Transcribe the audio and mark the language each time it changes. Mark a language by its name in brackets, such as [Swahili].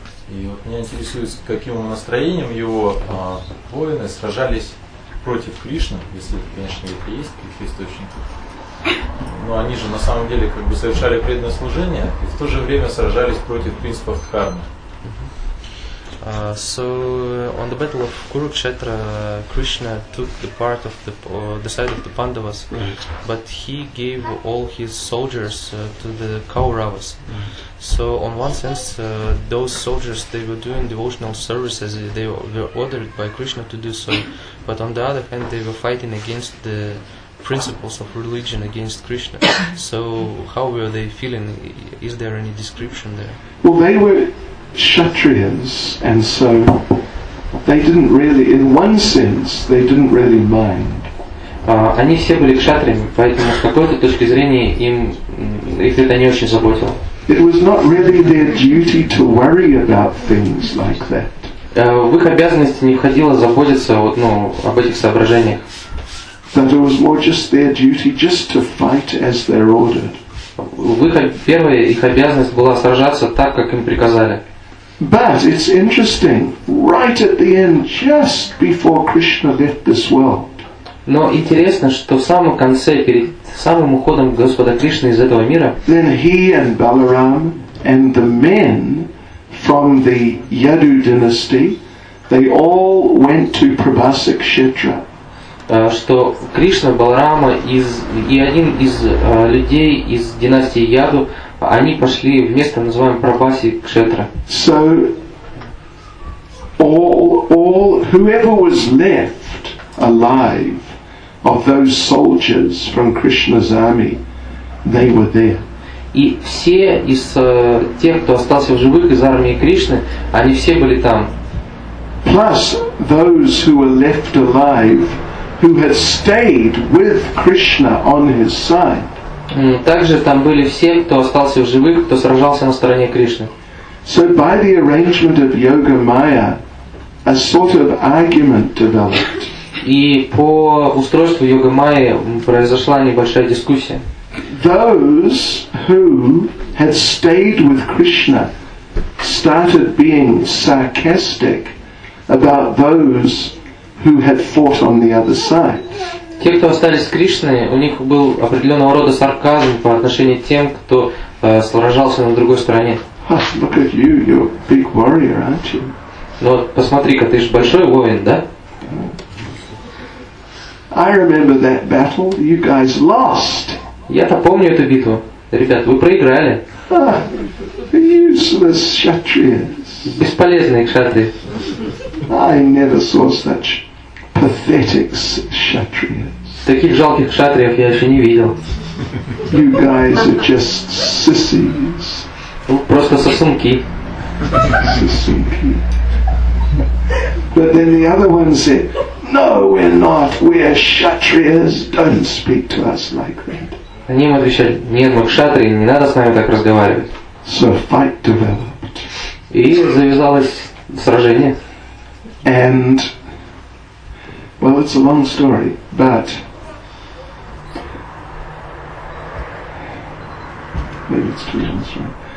[Russian] И вот меня интересует, с каким настроением его воины сражались против Кришны, если это, конечно, где-то есть какие-то источники. Но они же на самом деле как бы совершали преданное служение и в то же время сражались против принципов кармы. [English] So on the battle of Kurukshetra, Krishna took the part of the side of the Pandavas, right. But he gave all his soldiers to the Kauravas. Mm-hmm. So on one sense, those soldiers, they were doing devotional services, they were ordered by Krishna to do so, but on the other hand, they were fighting against the principles of religion, against Krishna. So how were they feeling? Is there any description there? Well, they were Kshatriyas, and so they didn't really, in one sense, they didn't really mind. [Russian] Они все были кшатриями, поэтому с какой-то точки зрения им их это не очень заботило. [English] It was not really their duty to worry about things like that. [Russian] В их обязанности не входило заботиться вот, ну, об этих соображениях. [English] That it was more just their duty just to fight as they're ordered. [Russian] Первая их обязанность была сражаться так, как им приказали. [English] But it's interesting, right at the end, just before Krishna left this world. [Russian] Но интересно, что в самом конце, перед самым уходом Господа Кришны из этого мира, [English] then he and Balaram and the men from the Yadu dynasty, they all went to Prabhasa Kshetra. [Russian] Что Кришна, Баларама и один из людей из династии Яду, они пошли в место, называемое Прабаси Кшетра. [English] So, all whoever was left alive of those soldiers from Krishna's army, they were there. [Russian] И все из тех, кто остался в живых из армии Кришны, они все были там. [English] Plus those who were left alive, who had stayed with Krishna on his side. [Russian] Также там были все, кто остался в живых, кто сражался на стороне Кришны. [English] So by the arrangement of Yoga Maya, a sort of argument developed. [Russian] И по устройству Йога Майи произошла небольшая дискуссия. [English] Those who had stayed with Krishna started being sarcastic about those who had fought on the other side. [Russian] Те, кто остались с Кришной, у них был определенного рода сарказм по отношению к тем, кто сражался на другой стороне. [English] Oh, look at you, you're a big warrior, aren't you? [Russian] Ну вот посмотри-ка, ты же большой воин, да? [English] I remember that battle. You guys lost. [Russian] Я-то помню эту битву. Ребят, вы проиграли. [English] Useless kshatriyas. [Russian] Бесполезные кшатрии. [English] I never saw such pathetic kshatriyas. [Russian] Таких жалких кшатриев я еще не видел. [English] You guys are just sissies. [Russian] Вы просто сосунки. Сосунки. [English] But then the other one said, no, we're not. We're kshatriyas. Don't speak to us like that. [Russian] Они им отвечали, нет, мы кшатрии, не надо с нами так разговаривать. [English] So fight developed. [Russian] И завязалось сражение. [English] And, well, it's a long story, but maybe it's too long story.